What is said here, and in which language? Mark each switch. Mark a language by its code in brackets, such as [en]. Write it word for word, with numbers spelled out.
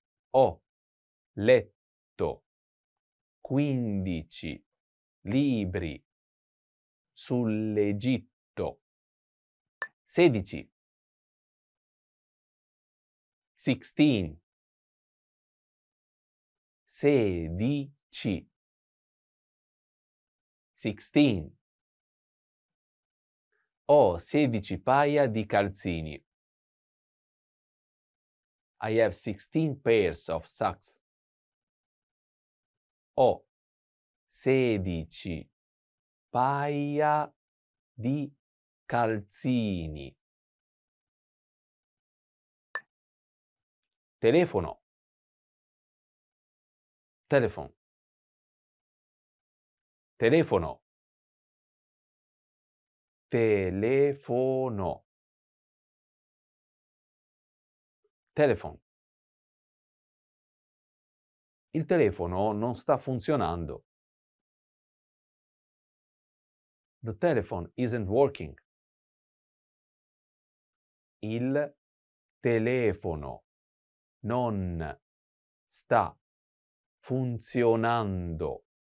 [it] Ho letto quindici libri sull'Egitto. Sedici. [en] Sixteen. [it] Sedici. [en] Sixteen. [it] Ho sedici paia di calzini. [en] I have sixteen pairs of socks. [it] Ho sedici paia di calzini. Telefono. [en] Telephone. [it] Telefono. Telefono. [en] Telephone. [it] Il telefono non sta funzionando. [en] The telephone isn't working. [it] Il telefono non sta funzionando.